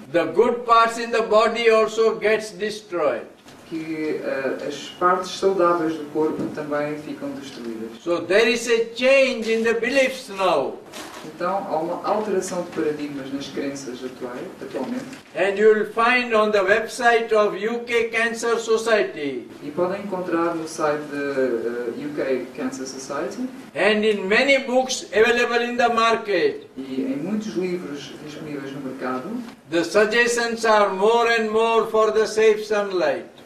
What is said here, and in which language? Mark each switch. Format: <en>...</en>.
<en>the good parts in the body also gets destroyed,</en> <pt>que as partes saudáveis do corpo também ficam destruídas.</pt> <en>So there is a change in the beliefs now.</en> <pt>Então há uma alteração de paradigmas nas crenças atualmente.</pt> <en>And you'll find on the website of UK Cancer Society.</en> <pt>E podem encontrar no site da UK Cancer Society.</pt> <en>And in many books available in the market.</en> <pt>E em muitos livros disponíveis no mercado.</pt> <en>The suggestions are more and more for the safe sunlight.</en>